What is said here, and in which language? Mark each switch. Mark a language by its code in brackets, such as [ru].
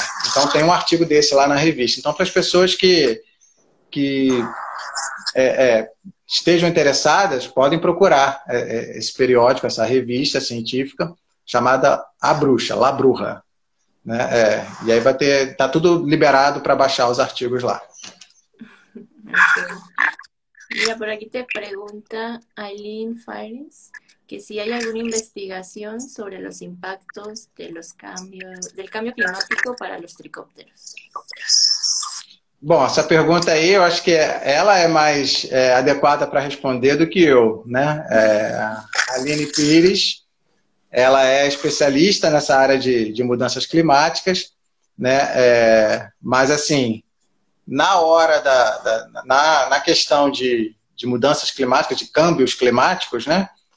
[pt] Então tem um artigo desse lá na revista. Então, para as pessoas que estejam interessadas, podem procurar esse periódico, essa revista científica chamada A Bruxa, La Bruxa, né? E aí vai ter, tá tudo liberado para baixar os artigos lá. [es] Mira, por aqui [pt] te pergunta [es] Aileen Fares, que si hay alguna investigación sobre los impactos de los cambios del cambio climático para los tricópteros. [pt] Bom, essa pergunta aí, eu acho que ela é mais adequada para responder do que eu, né? A Aline Pires, ela é especialista nessa área de mudanças climáticas, né? Mas assim, na hora na questão de mudanças climáticas, de câmbios climáticos, né?